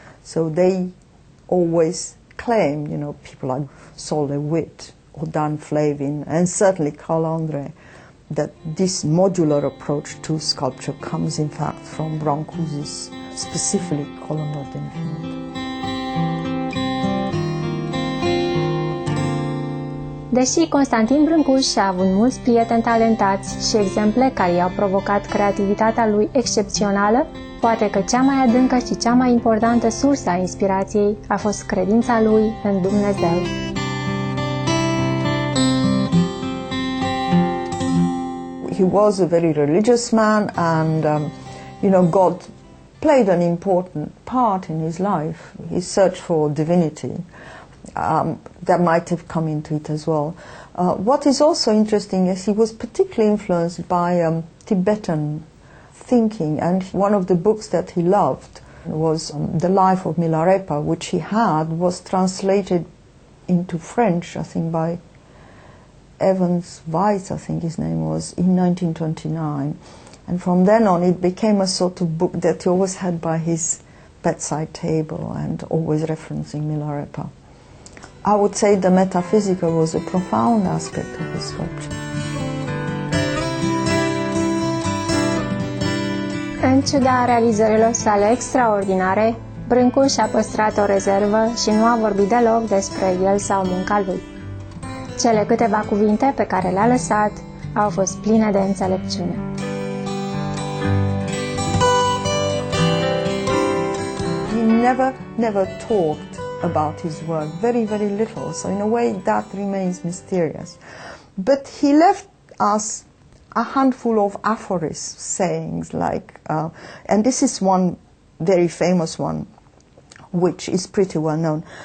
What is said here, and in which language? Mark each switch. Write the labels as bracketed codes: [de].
[en] So they always claim, you know, people like Sol de Witt or Dan Flavin, and certainly Carl André, that this modular approach to sculpture comes, in fact, from Brancusi's specifically column of the infinite. [ro] Deși Constantin Brâncuș a avut mulți prieteni talentați și exemple care i-au provocat creativitatea lui excepțională, poate că cea mai adâncă și cea mai importantă sursă a inspirației a fost credința lui în Dumnezeu. [en] he was a very religious man, and you know, God played an important part in his life, his search for divinity. That might have come into it as well. What is also interesting is he was particularly influenced by Tibetan thinking, and one of the books that he loved was The Life of Milarepa, which he had, was translated into French, I think, by Evans Weiss, I think his name was, in 1929. And from then on, it became a sort of book that he always had by his bedside table and always referencing Milarepa. I would say the metaphysical was a profound aspect of his sculpture. [ro] În ciuda realizărilor sale extraordinare, Brâncu și-a păstrat o rezervă și nu a vorbit deloc despre el sau munca lui. Cele câteva cuvinte pe care le-a lăsat au fost pline de înțelepciune. [en] He never talked about his work, very, very little, so in a way that remains mysterious. But he left us a handful of aphorisms, sayings, like, and this is one very famous one, which is pretty well known.